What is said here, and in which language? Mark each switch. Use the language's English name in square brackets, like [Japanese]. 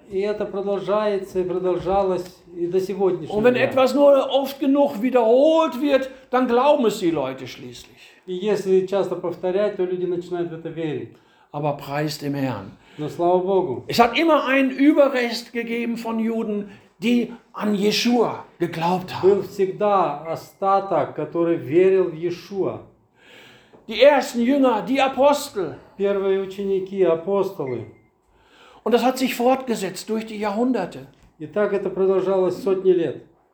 [Russian] И это продолжается и продолжалось и до сегодняшнего. [German] Und wenn etwas nur oft genug wiederholt wird, dann glauben es die Leute schließlich. [Russian] И если часто повторять, то люди начинают в это верить. [German] Aber preis dem Herrn. [Russian] Но слава Богу. [German] Es hat immer einen Überrest gegeben von Juden, die an Yeshua geglaubt haben. [Russian] Был всегда остаток, который верил в Иешуа. [German] Die ersten Jünger, die Apostel. [Russian] Первые ученики, апостолы. [German] Und das hat sich fortgesetzt durch die Jahrhunderte. [Russian] И так это продолжалось сотни лет.